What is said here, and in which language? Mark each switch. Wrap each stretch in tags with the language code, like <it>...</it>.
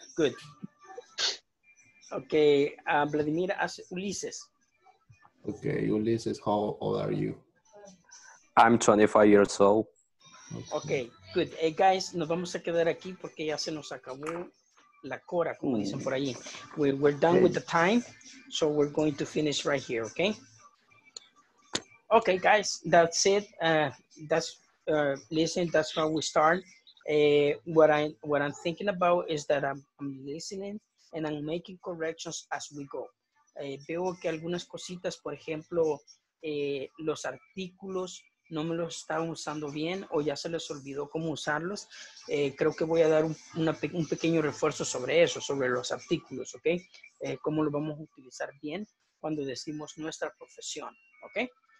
<en>Good. Okay, Vladimir, ask Ulises. Okay, Ulises, how old are you? I'm 25 years old. Okay, good.</en> <es>Hey, guys, nos vamos a quedar aquí porque ya se nos acabó la cora, como dicen por ahí.</es> <en>We're done with the time, so we're going to finish right here, okay? Okay, guys, that's it. That's how we start. What I'm thinking about is that I'm listening and I'm making corrections as we go.</en> <es>Veo que algunas cositas, por ejemplo, los artículos no me los estaban usando bien o ya se les olvidó cómo usarlos. Creo que voy a dar un pequeño refuerzo sobre eso, sobre los artículos, ¿ok? Cómo los vamos a utilizar bien cuando decimos nuestra profesión, ¿ok?</es>